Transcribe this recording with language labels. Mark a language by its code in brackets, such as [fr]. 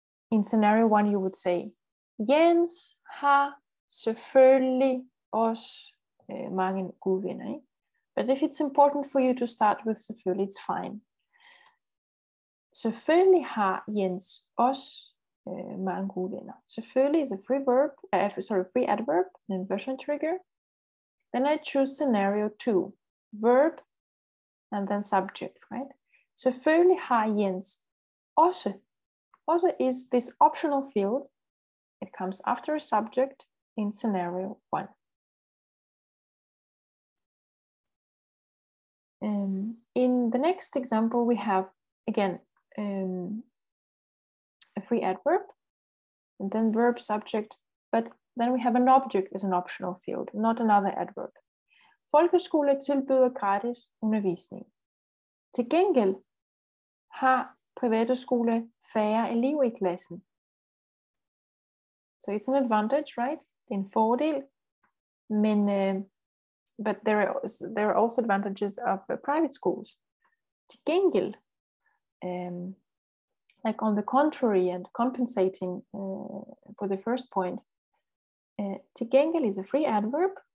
[en] In scenario one, you would say, [da] Jens har selvfølgelig også mange gode venner. Eh? [en] But if it's important for you to start with selvfølgelig, it's fine. [da] Selvfølgelig har Jens også mange gode venner. [en] Selvfølgelig is a free verb, free adverb, an inversion trigger. Then I choose scenario two, verb and then subject, right? [da] Selvfølgelig har Jens også. [en] Also is this optional field. It comes after a subject in scenario one. In the next example, we have, again, a free adverb, and then verb subject, but then we have an object as an optional field, not another adverb. [da] Folkeskole tilbyder gratis undervisning. Til gengæld har private skole færre elever i klassen. [en] So it's an advantage, right? [da] En fordel. [en] Men, but there are also advantages of private schools. Til gengæld, like on the contrary and compensating for the first point, til gengæld is a free adverb.